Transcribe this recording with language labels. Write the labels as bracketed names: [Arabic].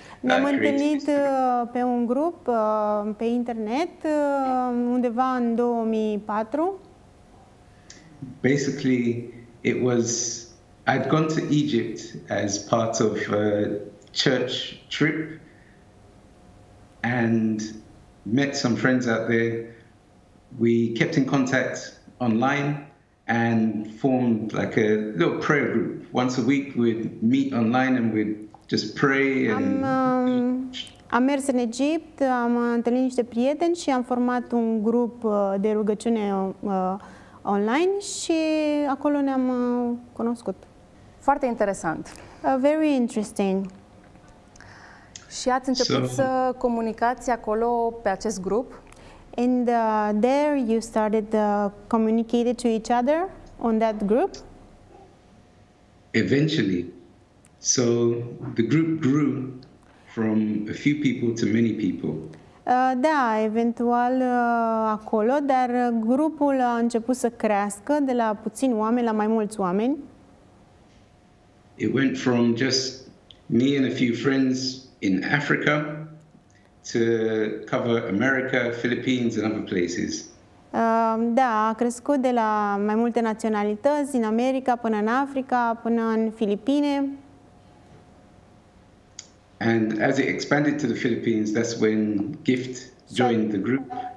[Romanian] Ne-am întâlnit pe un grup pe internet undeva în 2004. [English] Basically, it was I'd gone to Egypt as part of a church trip and met some friends out there. We kept in contact online and formed like a little prayer group. Once a week we'd meet online and we'd just pray and [Romanian] am mers în Egipt, am întâlnit niște prieteni și am format un grup de rugăciune online și acolo ne-am cunoscut. Foarte interesant. [English] Very interesting. [Romanian] Și ați început să comunicați acolo pe acest grup? [English] And there you started communicating to each other on that group? Eventually. So the group grew from a few people to many people. [Romanian] Da, eventual acolo, dar grupul a început să crească de la puțini oameni la mai mulți oameni. [English] It went from just me and a few friends in Africa to cover America, Philippines and other places. [Romanian] Da, a crescut de la mai multe naționalități, din America până în Africa, până în Filipine. [English] And as it expanded to the Philippines, that's when Gift joined the group.